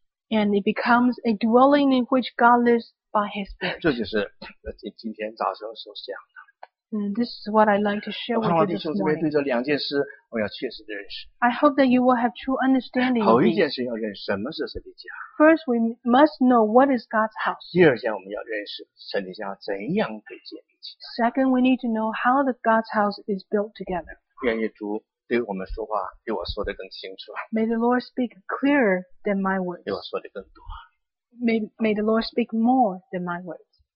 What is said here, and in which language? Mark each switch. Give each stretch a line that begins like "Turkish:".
English: And it becomes a dwelling in which God lives by His Spirit.
Chinese: 这就是今天早上所讲的。
English: This is what I'd like to share with you this morning.
Chinese: 弟兄姊妹对这两件事我要确实的认识。
English: I hope that you will have true understanding.
Chinese: 头一件事要认识什么是神的家。
English: First, we must know what is God's house.
Chinese: 第二件我们要认识神的家怎样被建立起来。
English: Second, we need to know how the God's house is built together.
Chinese: 愿意主对我们说话比我说的更清楚。
English: May the Lord speak clearer than my words.
Chinese: 比我说的更多。
English: May the Lord speak more than my words.